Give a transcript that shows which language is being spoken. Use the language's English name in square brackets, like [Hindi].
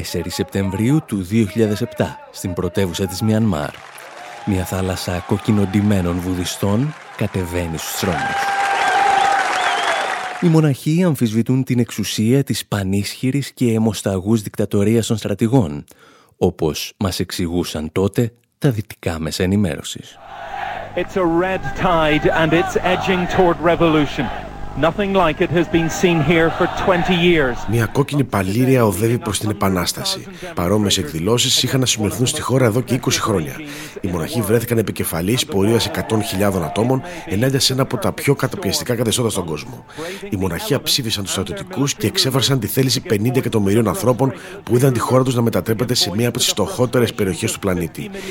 [Greek] Σεπτεμβρίου του 2007, στην πρωτεύουσα της Μιανμάρ, μια θάλασσα κοκκινοντυμένων βουδιστών κατεβαίνει στους θρόνους. Οι μοναχοί αμφισβητούν την εξουσία της πανίσχυρης και αιμοσταγούς δικτατορίας των στρατηγών, όπως μας εξηγούσαν τότε τα δυτικά μέσα ενημέρωσης. [English] It's a red tide and it's edging toward revolution. Nothing like it has been seen here for 20 years. [Greek] Μια κόκκινη παλήρια οδεύει προς την επανάσταση. Παρόμοιες εκδηλώσεις είχαν να συμμεριθούν στη χώρα εδώ και 20 χρόνια. Οι μοναχοί βρέθηκαν επικεφαλής πορείας 100.000 ατόμων ενάντια σε ένα από τα πιο καταπιεστικά καθεστώτα στον κόσμο. Οι μοναχοί αψήφισαν τους στρατιωτικούς και εξέφρασαν τη θέληση 50 εκατομμυρίων ανθρώπων που είδαν τη χώρα τους να μετατρέπεται σε μία από τις φτωχότερες περιοχές του πλανήτη.